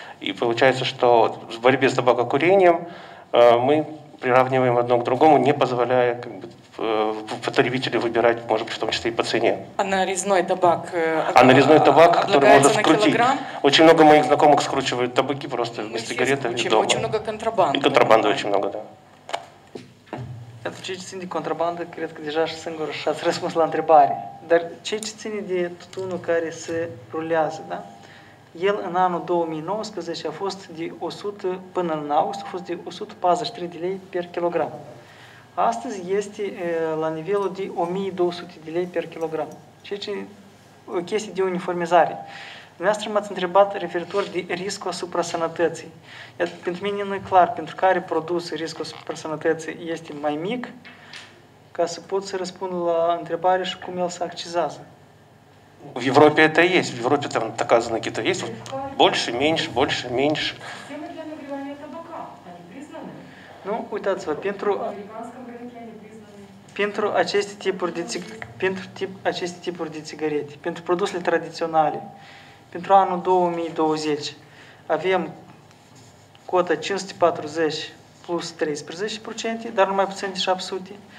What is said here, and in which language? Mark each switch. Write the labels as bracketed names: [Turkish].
[Russian] И получается, что в борьбе с табакокурением мы приравниваем одно к другому, не позволяя как бы потребителю выбирать, может быть, в том числе и по цене. А нарезной табак, который можно скрутить. Килограмм? Очень много моих знакомых скручивают табаки просто на сигареты и дома. Очень много контрабанды. И контрабанды очень много, да. [Romanian] Pentru ce ce ține de contrabandă, cred că deja și singur și-ați răspuns la întrebare. Dar ce ce ține de tutunul care se rulează, da? El în anul 2019 a fost de 100, până în august, a fost de 143 de lei per kilogram. Astăzi este la nivelul de 1200 de lei per kilogram. Ceea ce o chestie de uniformizare. Dumneavoastră m-ați întrebat referitor de riscul asupra sănătății. Iată, pentru mine nu e clar pentru care produs riscul asupra sănătății este mai mic, ca să pot să răspund la întrebare și cum el se accizează. [Russian] В Европе это есть. В Европе там такая знаки то есть. Больше, меньше. Системы для нагревания табака, они признаны? Ну, уйтаться, пентру... [Romanian] Pentru aceste tipuri de tipuri de țigărete, pentru produsele tradiționale, pentru anul 2020, avem cota 540 plus 13%, dar numai puțin de 700.